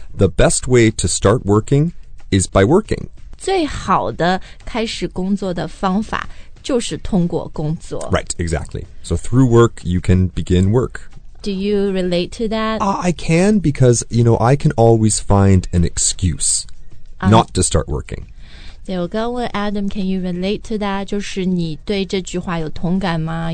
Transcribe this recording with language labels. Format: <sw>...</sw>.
<en>The best way to start working is by working.</en> <zh>最好的开始工作的方法就是通过工作</zh> <en>Right, exactly. So through work, you can begin work. Do you relate to that? I can because, you know, I can always find an excuse not to start working.</en> <zh>对，我刚问</zh> <en>Adam, can you relate to that?</en> <zh>就是你对这句话有同感吗？</zh>